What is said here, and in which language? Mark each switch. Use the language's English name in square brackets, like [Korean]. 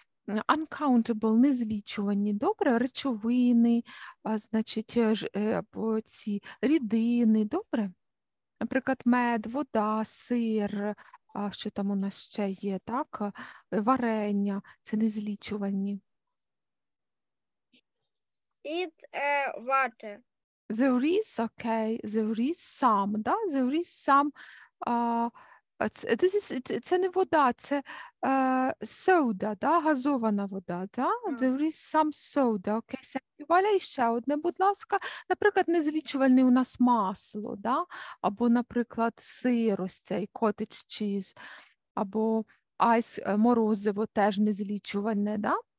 [Ukrainian] uncountable, незлічувані, добре, речовини, значить, ці рідини, добре? Наприклад, мед, вода, сир, що там у нас ще є, так? Варення, це незлічувані. [English] It water. There is, okay, there is some, [Ukrainian] да? [English] There is some This is [Ukrainian] це не вода, це сода, да, газована вода, да? [English] There is some soda. Okay, thank you. [Ukrainian] Валя, ще одне, будь ласка. Наприклад, не злічувальне у нас масло, да? Або, наприклад, сир, ось цей cottage cheese, або ice, морозиво теж не злічувальне, да?